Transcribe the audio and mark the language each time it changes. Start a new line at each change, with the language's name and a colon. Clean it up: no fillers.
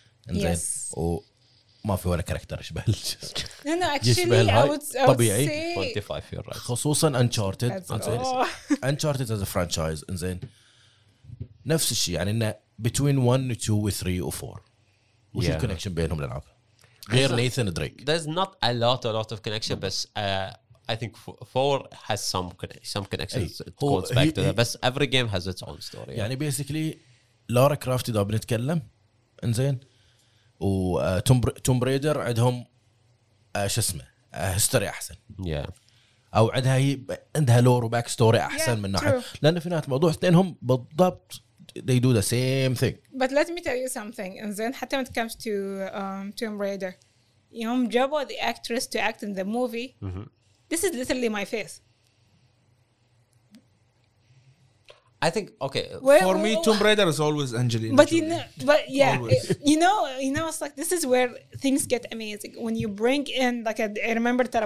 Arabic: زين وما في ولا كاركتر يشبه.
English: No, actually, I would say 25 years. خصوصاً Uncharted. Uncharted as a franchise.
Arabic: زين نفس الشيء يعني إنه
English: between 1, 2, 3, or 4.
Arabic: وش الكونكشن بينهم للعب؟ غير Nathan Drake.
English: There's not a lot of connection, but I think 4 has some connections. Hey, it goes back to that. But every game has its own story.
Arabic: يعني basically, Lara Croft إذا بنتكلم, إنزين, وتوم بريدر عندهم شو اسمه هيستوري أحسن.
English: Yeah.
Arabic: أو عندها هي عندها lore وباك ستوري أحسن من ناحية. لأن في نهاية الموضوع اثنينهم بالضبط.
English: They do the same thing. But let me tell you something. And then, حتى when it comes to Tomb Raider, you know, Jabba, the actress to act in the movie, this is literally my face. I think okay. Tomb Raider is always Angelina. But you know, it's like this is where things get amazing when you bring in like I remember Tara.